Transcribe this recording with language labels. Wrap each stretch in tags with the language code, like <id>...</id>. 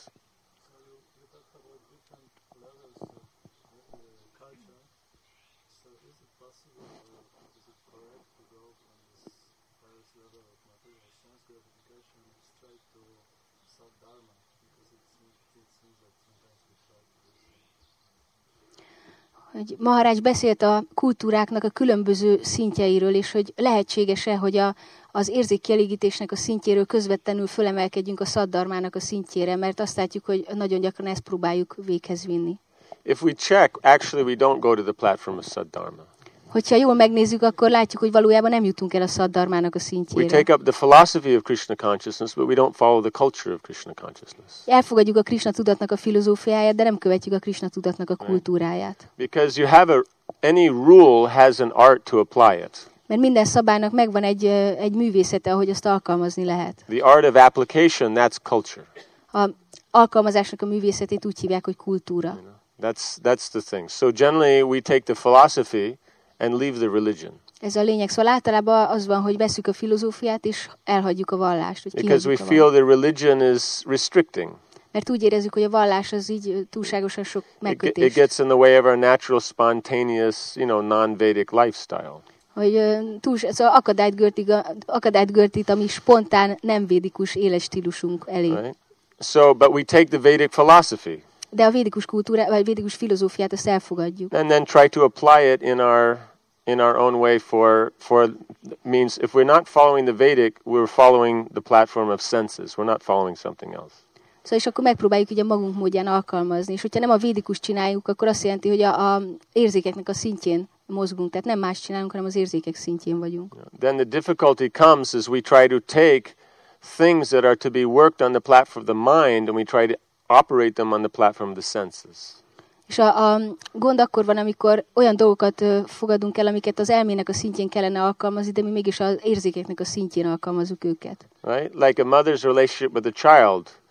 <en>So you talked about different levels of culture. So is it possible or is it correct to go from this various level of material sense gratification straight to self dharma? Because it seems that sometimes we try to do so.</en> <hu>Hogy Maharaj beszélt a kultúráknak a különböző szintjeiről, és hogy lehetséges-e, hogy az érzékkielégítésnek a szintjéről közvetlenül fölemelkedjünk a szaddarmának a szintjére, mert azt látjuk, hogy nagyon gyakran ezt próbáljuk véghez vinni.</hu> <en>If we check, actually we don't go to the platform of saddharma.</en> <hu>Hogyha jól megnézzük, akkor látjuk, hogy valójában nem jutunk el a szaddharmának a szintjére.</hu> <en>We take up the philosophy of Krishna consciousness, but we don't follow the culture of Krishna consciousness.</en> <hu>Elfogadjuk a Krishna tudatnak a filozófiáját, de nem követjük a Krishna tudatnak a kultúráját.</hu> <en>Because you have any rule has an art to apply it.</en> <hu>Mert minden szabálynak megvan egy művészete, ahogy azt alkalmazni lehet.</hu> <en>The art of application, that's culture.</en> <hu>A alkalmazásnak a művészetét úgy hívják, hogy kultúra.</hu> <en>You know, that's the thing. So generally we take the philosophy and leave the religion.</en> <hu>Ez a lényeg. Szóval általában az van, hogy veszük a filozófiát és elhagyjuk a vallást.</hu> <en>Because we feel the religion is restricting.</en> <hu>Mert úgy érezzük, hogy a vallás az így túlságosan sok megkötés.</hu> <en>It gets in the way of our natural, spontaneous, you know, non-Vedic lifestyle.</en> <hu>Hogy szóval akadálygörtit, ami spontán nem védikus életstílusunk elé.</hu> <en>Right? So, but we take the Vedic philosophy.</en> <hu>De a védikus kultúra, vagy védikus filozófiát ezt elfogadjuk.</hu> <en>And then try to apply it in our own way for means if we're not following the Vedic, we're following the platform of senses. We're not following something else.</en> <hu>Szóval és akkor megpróbáljuk ugye magunk módján alkalmazni. És hogyha nem a védikus csináljuk, akkor azt jelenti, hogy a érzékeknek a szintjén mozgunk. Tehát nem más csinálunk, hanem az érzékek szintjén vagyunk.</hu> <en>Then the difficulty comes as we try to take things that are to be worked on the platform of the mind and we try to operate them on the platform of the senses.</en> <hu>És a gond akkor van, amikor olyan dolgokat fogadunk el, amiket az elmének a szintjén kellene alkalmazni, de mi mégis az érzékeknek a szintjén alkalmazunk őket.</hu> <en>Right? Like a mother's relationship with a child.</en>